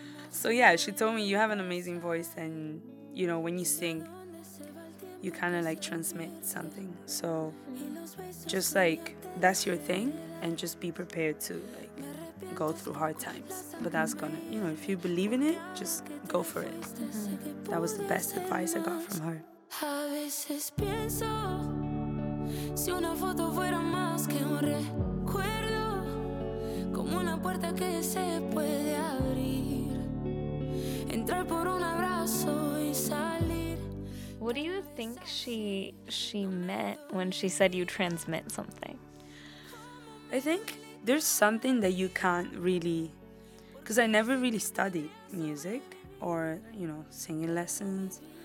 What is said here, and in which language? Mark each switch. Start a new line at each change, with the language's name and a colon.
English: So, yeah, she told me, you have an amazing voice, and, you know, when you sing, you kind of, like, transmit something. So just, like, that's your thing, and just be prepared to, like, go through hard times. But that's gonna, you know, if you believe in it, just go for it. Mm-hmm. That was the best advice I got from her.
Spanish: A veces pienso si una foto fuera más que un recuerdo, como una puerta que se puede abrir, entrar por un abrazo y salir.
English: What do you think she meant when she said you transmit something? I think there's something that you can't really, because I never really studied music or, you know, singing lessons.